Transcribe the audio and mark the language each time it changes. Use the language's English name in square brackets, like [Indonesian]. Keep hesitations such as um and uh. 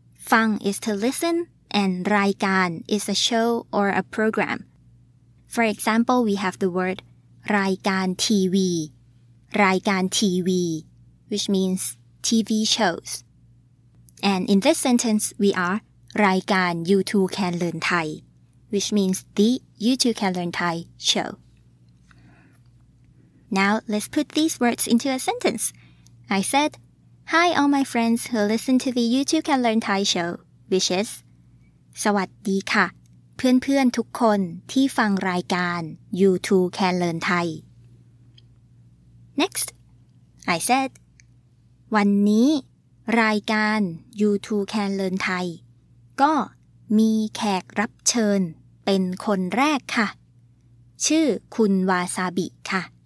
[English] ฟัง is to listen and รายการ is a show or a program for example we have the word รายการทีวี รายการทีวี which means TV shows and in this sentence we are รายการ You Too Can Learn Thai which means the You Too Can Learn Thai show Now let's put these words into a sentence. I said, Hi all my friends who listen to the YouTube Can Learn Thai show, which is [Thai] สวัสดีค่ะ เพื่อนๆทุกคนที่ฟังรายการ YouTube Can Learn Thai. [English] Next, I said, [Thai] วันนี้ รายการ YouTube Can Learn Thai ก็มีแขกรับเชิญเป็นคนแรกค่ะ ชื่อคุณวาซาบิค่ะ